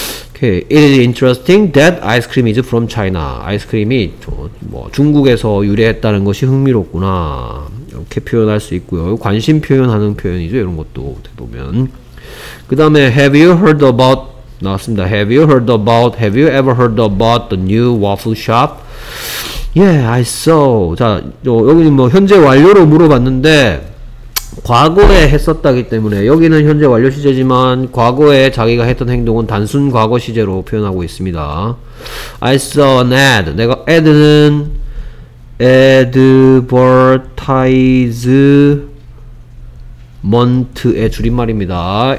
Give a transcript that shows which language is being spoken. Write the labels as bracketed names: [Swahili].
[English] Okay, it is interesting that ice cream is from China. [Korean] 아이스크림이 뭐 중국에서 유래했다는 것이 흥미롭구나. 이렇게 표현할 수 있고요. 관심 표현하는 표현이죠. 이런 것도 어떻게 보면. 그 다음에 [English] Have you heard about [Korean] 나왔습니다. [English] Have you ever heard about the new waffle shop? Yeah, I saw. [Korean] 자, 여기는 뭐 현재 완료로 물어봤는데 과거에 했었다기 때문에 여기는 현재 완료 시제지만 과거에 자기가 했던 행동은 단순 과거 시제로 표현하고 있습니다. [English] I saw an ad. [Korean] 내가 ad는 advertisement의 줄임말입니다.